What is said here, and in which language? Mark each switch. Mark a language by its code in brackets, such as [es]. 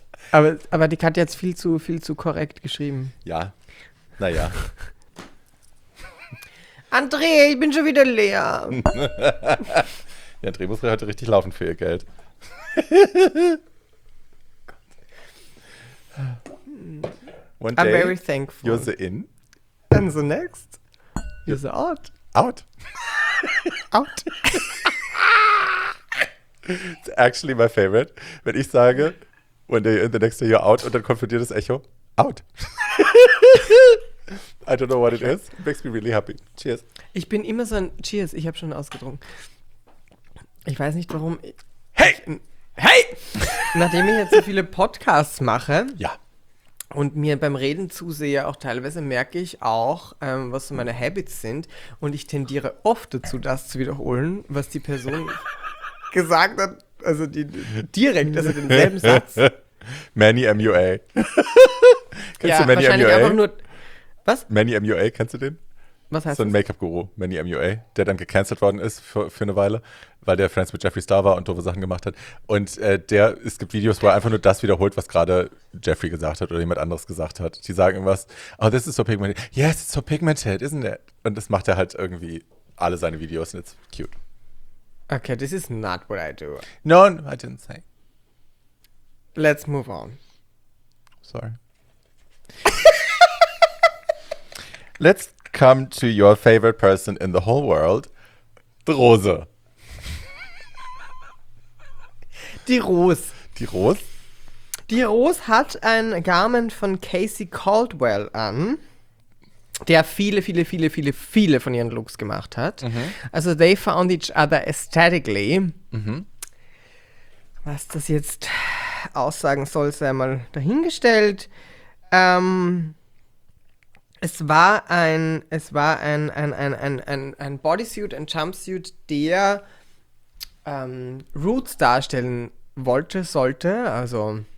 [de] Aber die Katja hat jetzt viel zu korrekt geschrieben. Ja, naja. André, ich bin schon wieder leer. Ja, André muss heute richtig laufen für ihr Geld. [en] One day, I'm very thankful. You're the in. And the next, you're the out. Out. Out. It's actually my favorite. [de] Wenn ich sage, [en] when they in the next day you're out, [de] und dann kommt für dir das Echo, out. [en] I don't know what it is. It makes me really happy. Cheers. [de] Ich bin immer so ein, cheers, ich habe schon ausgetrunken. Ich weiß nicht warum. Hey! Nachdem ich jetzt so viele Podcasts mache. Ja. Und mir beim Reden zusehe, auch teilweise merke ich auch, was so meine Habits sind. Und ich tendiere oft dazu, das zu wiederholen, was die Person gesagt hat, also die direkt, also denselben Satz. Manny MUA. Kennst du Manny MUA? Was? Manny MUA, kennst du den? Was heißt so ein Make-up-Guru, Manny MUA, der dann gecancelt worden ist für eine Weile, weil der Friends mit Jeffree Star war und doofe Sachen gemacht hat. Und der, es gibt Videos, wo er einfach nur das wiederholt, was gerade Jeffree gesagt hat oder jemand anderes gesagt hat. Die sagen irgendwas, [en] oh, this is so pigmented. Yes, it's so pigmented, isn't it? [de] Und das macht er halt irgendwie alle seine Videos und [en] it's cute. Okay, this is not what I do. No, no, I didn't say. Let's move on. Sorry. Let's come to your favorite person in the whole world, the Rose. [de] Die Rose. Die Rose? Die Rose hat ein Garment von Casey Caldwell an, der viele, viele, viele, viele, viele von ihren Looks gemacht hat. Mhm. [en] Also they found each other aesthetically. Mhm. [de] Was das jetzt aussagen soll, sei mal dahingestellt. Es war ein Bodysuit, ein Jumpsuit, der Roots darstellen wollte, sollte, also